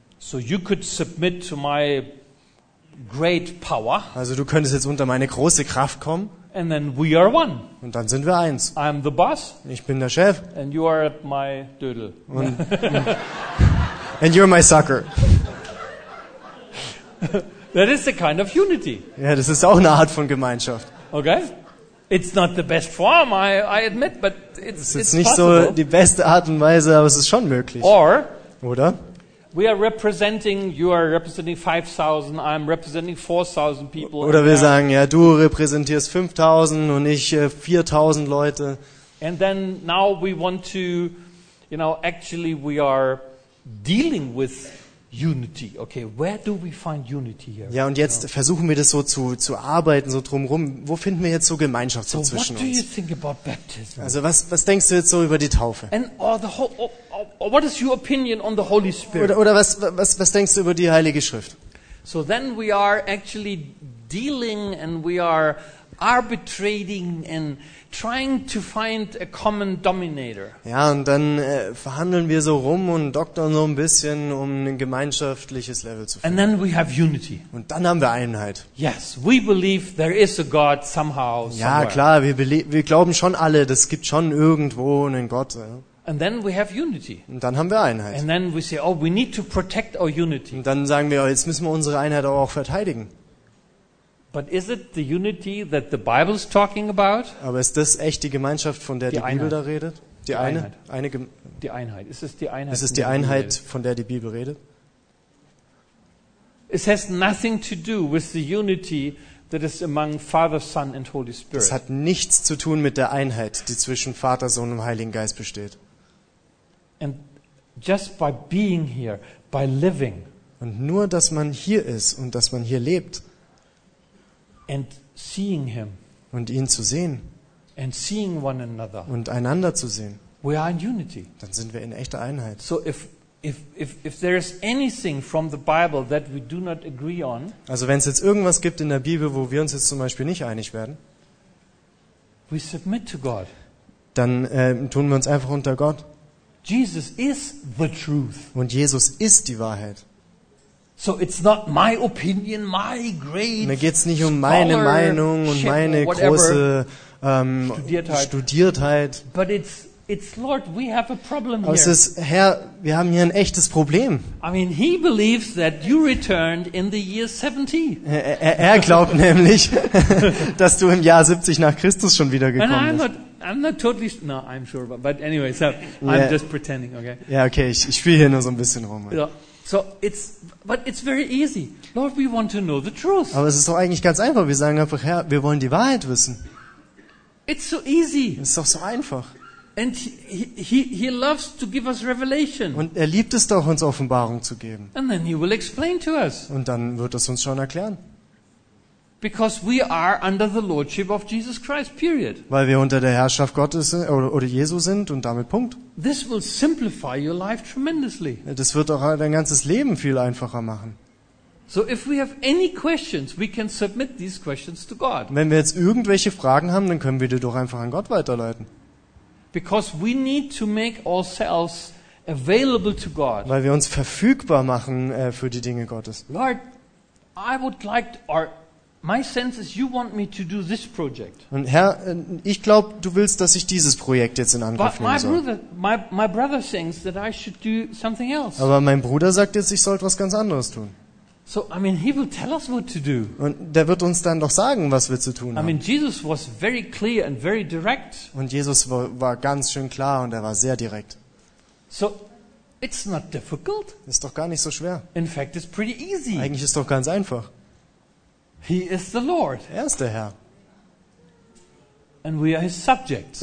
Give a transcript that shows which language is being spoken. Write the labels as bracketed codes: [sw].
[en] So you could submit to my great power. [de] Also du könntest jetzt unter meine große Kraft kommen. [en] And then we are one. [de] Und dann sind wir eins. [en] I'm the boss. [de] Ich bin der Chef. [en] And you are my doodle. [de] Und [en] and you're my sucker. That is the kind of unity. [de] Ja, das ist auch eine Art von Gemeinschaft. [en] Okay. It's not the best form, I admit, but it's possible. [de] Es ist nicht so die beste Art und Weise, aber es ist schon möglich. [en] Or, [de] oder? [en] We are representing, you are representing 5,000, I'm representing 4,000 people. [de] Oder wir sagen, ja, du repräsentierst 5,000 und ich 4,000 Leute. [en] And then now we want to, you know, actually we are dealing with unity. Okay, where do we find unity here? [de] Ja, und jetzt versuchen wir das so zu arbeiten, so drumherum. Wo finden wir jetzt so Gemeinschaft so zwischen uns? [en] So, what do you think about baptism? [de] Also, was denkst du jetzt so über die Taufe? [en] And what is your opinion on the Holy Spirit? [de] Oder was denkst du über die Heilige Schrift? [en] So then we are actually dealing and we are arbitrating and trying to find a common dominator. [de] Ja, und dann verhandeln wir so rum und doktern so ein bisschen, um ein gemeinschaftliches Level zu finden. [en] And then we have unity. [de] Und dann haben wir Einheit. [en] Yes, we believe there is a God somehow. [de] Ja, klar, wir glauben schon alle, das gibt schon irgendwo einen Gott. Ja. [en] And then we have unity. [de] Und dann haben wir Einheit. [en] And then we say, oh, we need to protect our unity. [de] Und dann sagen wir, jetzt müssen wir unsere Einheit auch verteidigen. [en] But is it the unity that the Bible is talking about? [de] Aber ist das echt die Gemeinschaft, von der die Bibel da redet? Die Einheit. Ist es die Einheit? Ist es die Einheit, von der die Bibel redet? [en] It has nothing to do with the unity that is among Father, Son and Holy Spirit. [de] Es hat nichts zu tun mit der Einheit, die zwischen Vater, Sohn und Heiligen Geist besteht. [en] And just by being here, by living. [de] Und nur, dass man hier ist und dass man hier lebt. [en] And seeing him. [de] Und ihn zu sehen. [en] And seeing one another. [de] Und einander zu sehen. [en] We are in unity. [de] Dann sind wir in echter Einheit. [en] So if there is anything from the Bible that we do not agree on. [de] Also wenn es jetzt irgendwas gibt in der Bibel, wo wir uns jetzt zum Beispiel nicht einig werden. [en] We submit to God. [de] Dann tun wir uns einfach unter Gott. [en] Jesus is the truth. [de] Und Jesus ist die Wahrheit. [en] So it's not my opinion, my great. [de] Mir geht's nicht um meine Meinung und meine große Studiertheit. [en] But it's Lord, we have a problem here. [de] Es ist, Herr, wir haben hier ein echtes Problem. [en] I mean, he believes that you returned in the year 70. [de] Er glaubt nämlich, dass du im Jahr 70 nach Christus schon wiedergekommen bist. [en] I'm sure, but anyway, so yeah. I'm just pretending, okay? [de] Ja, okay, ich spiele hier nur so ein bisschen rum. Ja. [en] So it's very easy. Lord, we want to know the truth. [de] Aber es ist doch eigentlich ganz einfach. Wir sagen einfach, Herr, wir wollen die Wahrheit wissen. [en] It's so easy. [de] Es ist doch so einfach. [en] And he loves to give us revelation. [de] Und er liebt es doch, uns Offenbarung zu geben. [en] And then he will explain to us. [de] Und dann wird es uns schon erklären. [en] Because we are under the lordship of Jesus Christ, period. [de] Weil wir unter der Herrschaft Gottes sind, oder Jesu sind und damit Punkt. [en] This will simplify your life tremendously. [de] Das wird auch dein ganzes Leben viel einfacher machen. [en] So if we have any questions, we can submit these questions to God. [de] Wenn wir jetzt irgendwelche Fragen haben, dann können wir die doch einfach an Gott weiterleiten. [en] Because we need to make ourselves available to God. [de] Weil wir uns verfügbar machen für die Dinge Gottes. [en] Lord, I would like to, or my sense is you want me to do this project. [de] Und Herr, ich glaube, du willst, dass ich dieses Projekt jetzt in Angriff nehmen soll. [en] My brother thinks that I should do something else. [de] Aber mein Bruder sagt jetzt, ich sollte was ganz anderes tun. [en] So, I mean, he will tell us what to do. [de] Und der wird uns dann doch sagen, was wir zu tun haben. [en] I mean, Jesus was very clear and very direct. [de] Und Jesus war ganz schön klar und er war sehr direkt. [en] So, it's not difficult. [de] Ist doch gar nicht so schwer. [en] In fact, it's pretty easy. [de] Eigentlich ist doch ganz einfach. [en] He is the Lord. [de] Er ist der Herr. [en] And we are his subjects.